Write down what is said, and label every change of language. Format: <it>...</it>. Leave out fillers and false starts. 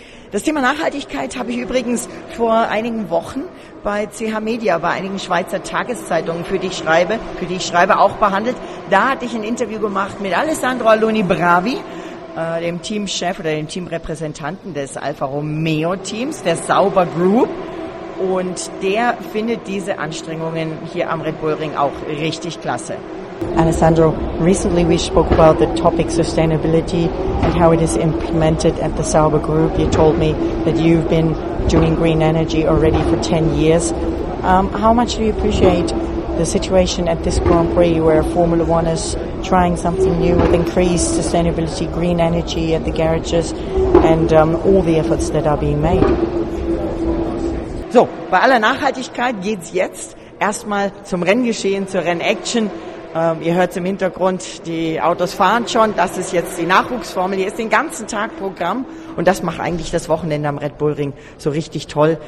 <de>Das Thema Nachhaltigkeit habe ich übrigens vor einigen Wochen bei CH Media, bei einigen Schweizer Tageszeitungen, für die ich schreibe, auch behandelt. Da hatte ich ein Interview gemacht mit Alessandro Alloni Bravi, dem Teamchef oder dem Teamrepräsentanten des Alfa Romeo Teams, der Sauber Group. Und der findet diese Anstrengungen hier am Red Bull Ring auch richtig klasse.</de> <en>Alessandro, recently we spoke about the topic sustainability and how it is implemented at the Sauber Group. You told me that you've been doing green energy already for 10 years. How much do you appreciate the situation at this Grand Prix where Formula One is trying something new with increased sustainability, green energy at the garages and all the efforts that are being made?</en> <de>So, bei aller Nachhaltigkeit geht's jetzt erstmal zum Renngeschehen, zur Rennaction. Ihr hört es im Hintergrund, die Autos fahren schon, das ist jetzt die Nachwuchsformel, hier ist den ganzen Tag Programm und das macht eigentlich das Wochenende am Red Bull Ring so richtig toll.</de>